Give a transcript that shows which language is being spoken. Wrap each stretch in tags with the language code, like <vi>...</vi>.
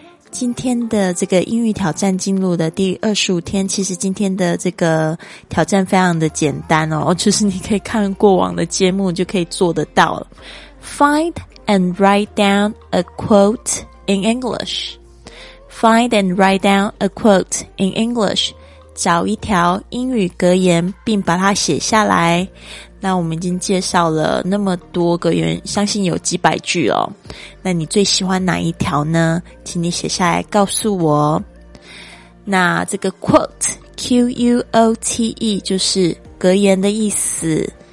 <zh>今天的这个英语挑战进入的第25天，其实今天的这个挑战非常的简单哦，就是你可以看过往的节目就可以做得到了。</zh> <en>Find and write down a quote in English. Find and write down a quote in English.</en> <zh>找一条英语格言并把它写下来。那我们已经介绍了那么多格言，相信有几百句哦。那你最喜欢哪一条呢？请你写下来告诉我。那这个 quote, Q-U-O-T-E, 就是格言的意思。</zh>